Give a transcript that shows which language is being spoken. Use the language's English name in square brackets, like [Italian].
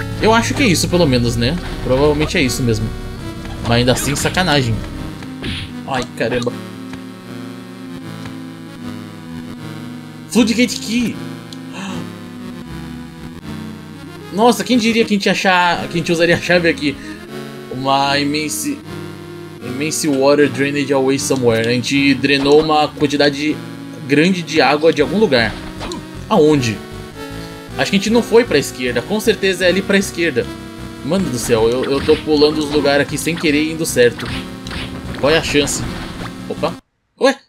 [Portuguese] Eu acho que é isso, pelo menos, né? Provavelmente é isso mesmo. Mas ainda assim, sacanagem. Ai, caramba. [English] Floodgate Key! [Portuguese] Nossa, quem diria que a gente usaria a chave aqui? Uma [English] immense water drained away somewhere. [Portuguese] A gente drenou uma quantidade grande de água de algum lugar. Aonde? Acho que a gente não foi pra esquerda. Com certeza é ali pra esquerda. Mano do céu, eu tô pulando os lugares aqui sem querer indo certo. Qual é a chance? Opa! Ué!